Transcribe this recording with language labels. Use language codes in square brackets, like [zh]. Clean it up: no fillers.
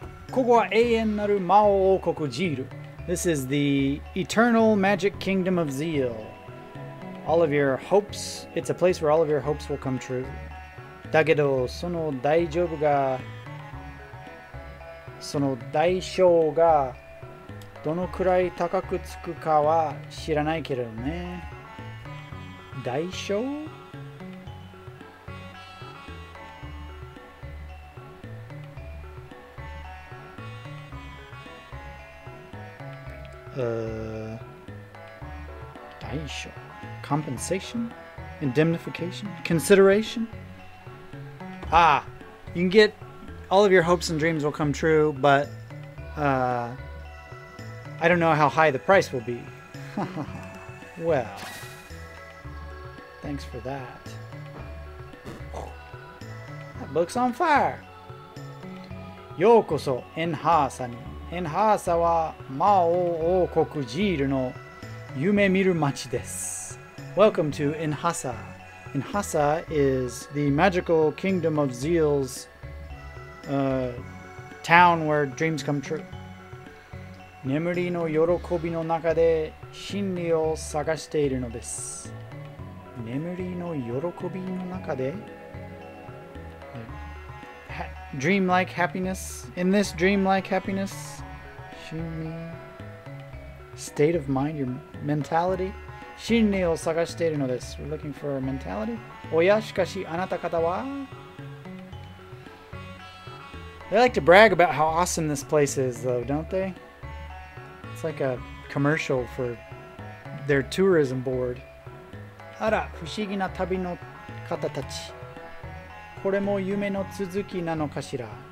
[ja] ここは永遠なる魔王王国ジール。 [en] This is the eternal magic kingdom of zeal. All of your hopes, it's a place where all of your hopes will come true. [ja] だけど、その大丈夫が、その代償がどのくらい高くつくかは知らないけどね。 Daisho? [en] Daisho. Compensation? Indemnification? Consideration? Ah, you can get all of your hopes and dreams will come true, but I don't know how high the price will be. Well. Thanks for that. That book's on fire. [ja] ようこそ、エンハーサに。エンハーサは魔王王国ジールの夢見る街です。 [en] Welcome to Enhasa. Enhasa is the magical kingdom of Zeal's town where dreams come true. [ja] 眠りの喜びの中で真理を探しているのです。 Memory no yorokobi no naka de? [en] Dreamlike happiness? In this dreamlike happiness? Shinmi? State of mind? Your mentality? [ja] 真理を探しているのです。 [en] We're looking for a mentality. [ja] おや、しかしあなた方は? [en] They like to brag about how awesome this place is, though, don't they? It's like a commercial for their tourism board. [ja] あら、不思議な旅の方たち。これも夢の続きなのかしら。